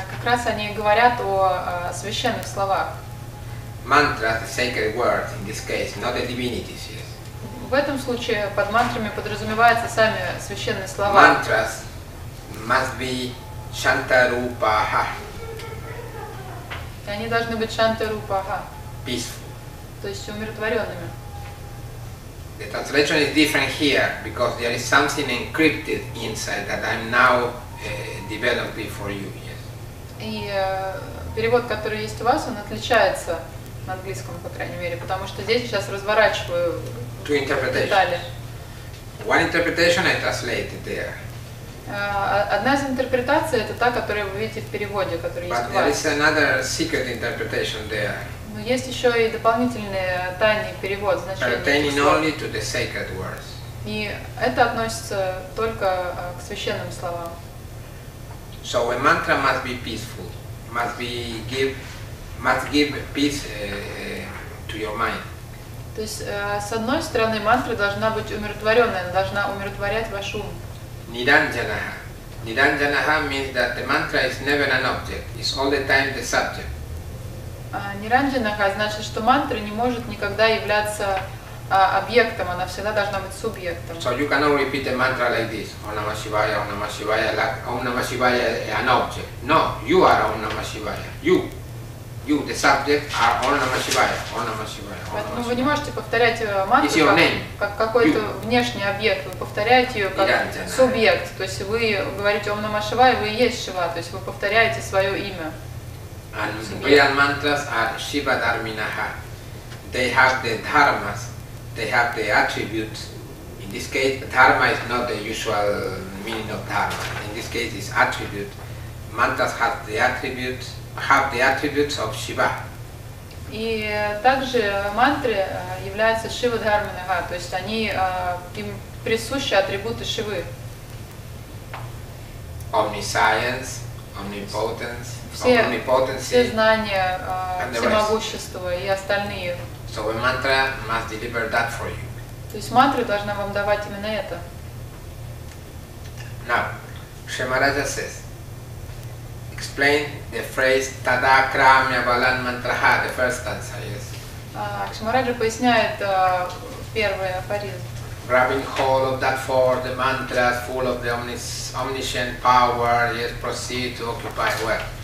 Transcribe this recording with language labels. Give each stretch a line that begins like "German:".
Russian: Как раз они говорят о священных словах.
English: Mantra, the sacred word in this case, not the divinities. Yes.
Russian: В этом случае под мантрами подразумеваются сами священные слова.
English: Mantras must be shantarupaha.
Russian: И они должны быть shantarupaha.
English: Peaceful.
Russian: То есть умиротворенными.
English: The translation is different here because there is something encrypted inside that I'm now developing for you. Yes.
Russian: И перевод, который есть у вас, он отличается на английском, по крайней мере, потому что здесь сейчас разворачиваю.
English: Two interpretations. One interpretation I translated there.
Russian: Одна из интерпретаций это та, которую вы видите в переводе, который есть у вас.
English: But there is another secret interpretation there.
Russian: Но есть еще и дополнительный тайный перевод значения.
English: Pertaining only to the sacred words.
Russian: И это относится только к священным словам.
English: So a mantra must be peaceful, must give peace to your mind.
Russian: То есть, с одной стороны, мантра должна быть умиротворенной, она должна умиротворять ваш ум.
Sanskrit: Ниранджанаха.
English: Ниранджанаха means that the mantra is never an object, it's all the time the subject.
Russian: Ниранджанаха значит, что мантра не может никогда являться объектом, она всегда должна быть субъектом.
English: So you cannot repeat a mantra like this, Om Namah Shivaya, Om Namah Shivaya, like Om Namah Shivaya an object. No, you are Om Namah Shivaya, you, the subject, are Om Namah Shivaya, Om Namah Shivaya.
Russian: Поэтому вы не можете повторять мантру как какой-то
English: you.
Russian: Внешний объект, вы повторяете ее как субъект. То есть вы говорите Ом Намах Шивая, вы и есть Шива, то есть вы повторяете свое имя.
English: Real mantras are Shiva Dharminaha. They have the dharmas, they have the attributes. In this case, dharma is not the usual meaning of dharma. In this case, it's attribute. Mantras have the attributes of Shiva.
Russian: И также мантры являются Шива Дхарминага, то есть они им присущи атрибуты Шивы.
English: Omniscience, omnipotence, omnipotency.
Russian: Все знания, всемогущество и остальные.
English: So a mantra must deliver that for you.
Russian: То есть мантра должна вам давать именно это.
English: Now, Kshemaraja says, explain the phrase Tada Kramya Valan Mantraha, the first stanza, yes.
Russian: Кшмараджа поясняет первый афоризм.
English: Grabbing hold of that for the mantras full of the omniscient power, yes, proceed to occupy well.